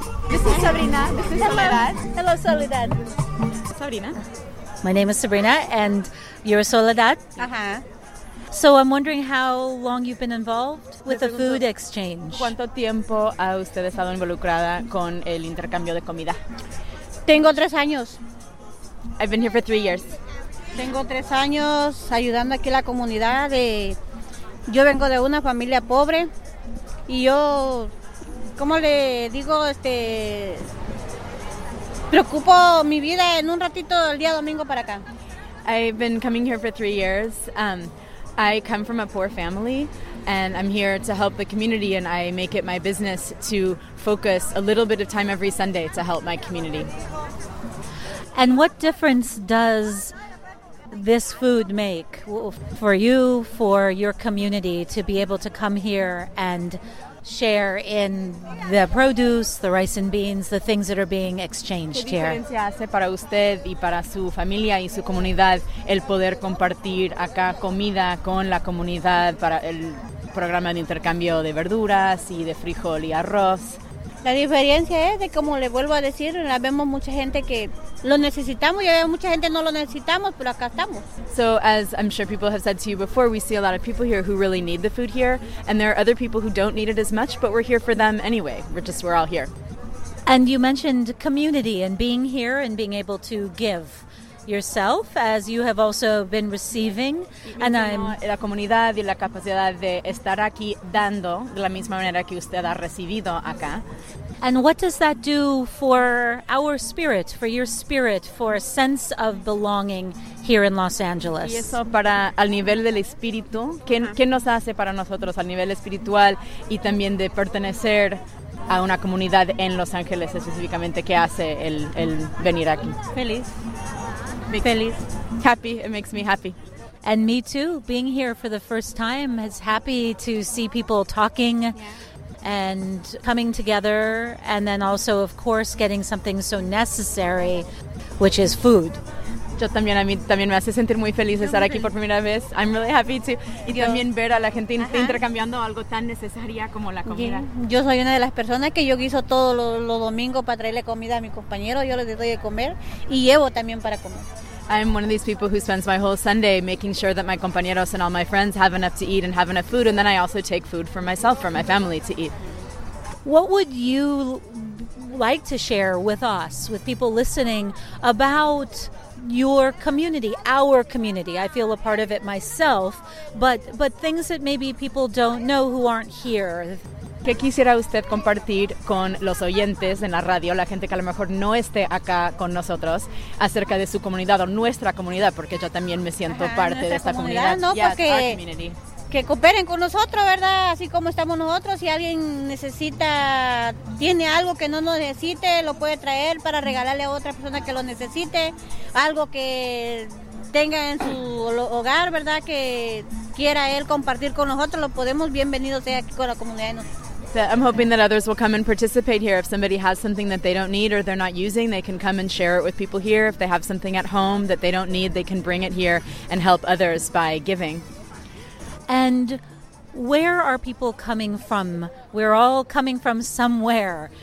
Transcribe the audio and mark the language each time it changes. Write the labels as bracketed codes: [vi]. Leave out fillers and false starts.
[en] This is Sabrina. This is Soledad. Hello, Soledad. Sabrina. My name is Sabrina, and you're Soledad. Uh-huh. So I'm wondering how long you've been involved with the food exchange. [es] ¿Cuánto tiempo ha usted estado involucrada con el intercambio de comida? Tengo tres años. [en] I've been here for 3 years. [es] Tengo tres años ayudando aquí la comunidad. Yo vengo de una familia pobre, y yo, ¿cómo le digo? Preocupo mi vida en un ratito el día domingo para acá. [en] I've been coming here for 3 years. I come from a poor family, and I'm here to help the community, and I make it my business to focus a little bit of time every Sunday to help my community. And what difference does this food make for you, for your community, to be able to come here and share in the produce, the rice and beans, the things that are being exchanged here? [es] ¿Qué diferencia hace para usted y para su familia y su comunidad el poder compartir acá comida con la comunidad para el programa de intercambio de verduras y de frijol y arroz? La diferencia es de, como le vuelvo a decir, la vemos mucha gente que lo necesitamos y mucha gente no lo necesitamos, pero acá estamos. [en] So as I'm sure people have said to you before, we see a lot of people here who really need the food here, and there are other people who don't need it as much, but we're here for them anyway. We're all here. And you mentioned community and being here and being able to give yourself, as you have also been receiving. And I'm [es] la comunidad y la capacidad de estar aquí dando de la misma manera que usted ha recibido acá. [en] And what does that do for our spirit, for your spirit, for a sense of belonging here in Los Angeles? [es] Y eso para al nivel del espíritu, ¿qué nos hace para nosotros al nivel espiritual y también de pertenecer a una comunidad en Los Ángeles específicamente? ¿Qué hace el venir aquí? Feliz. Feliz. [en] Happy. It makes me happy. And me too. Being here for the first time is happy to see people talking. Yeah. And coming together, and then also, of course, getting something so necessary, which is food. [es] Yo también, a mí también me hace sentir muy feliz estar aquí por primera vez. [en] I'm really happy to. [es] Y yo, también ver a la gente intercambiando algo tan necesaria como la comida. Yo soy una de las personas que yo guiso todos los domingos para traerle comida a mi compañero. Yo les doy de comer y llevo también para comer. [en] I'm one of these people who spends my whole Sunday making sure that my compañeros and all my friends have enough to eat and have enough food, and then I also take food for myself, for my family to eat. What would you like to share with us, with people listening, about your community, our community? I feel a part of it myself, but things that maybe people don't know who aren't here. [es] ¿Qué quisiera usted compartir con los oyentes en la radio, la gente que a lo mejor no esté acá con nosotros, acerca de su comunidad o nuestra comunidad? Porque yo también me siento parte de esta comunidad. No, yes, porque que cooperen con nosotros, ¿verdad? Así como estamos nosotros. Si alguien necesita, tiene algo que no necesite, lo puede traer para regalarle a otra persona que lo necesite. Algo que tenga en su hogar, ¿verdad? Que quiera él compartir con nosotros, lo podemos. Bienvenido sea aquí con la comunidad de nosotros. [en] I'm hoping that others will come and participate here. If somebody has something that they don't need or they're not using, they can come and share it with people here. If they have something at home that they don't need, they can bring it here and help others by giving. And where are people coming from? We're all coming from somewhere.